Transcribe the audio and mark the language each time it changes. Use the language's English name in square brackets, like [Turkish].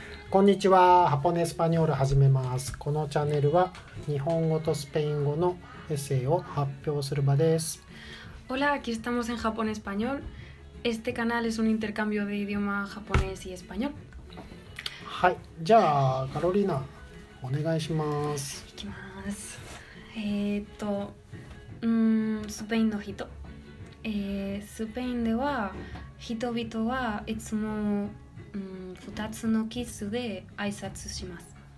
[Japanese] こんにちは、ハポネスパニョール始めます。このチャンネルは日本語とスペイン語のエッセイを発表する場です。 [Spanish] Hola, aquí estamos en Japón Español. Este canal es un intercambio de idioma japonés y español. [Japanese] はい、じゃあカロリーナお願いします。いきます。スペインの人、スペインでは人々はいつも2つのキスで挨拶します。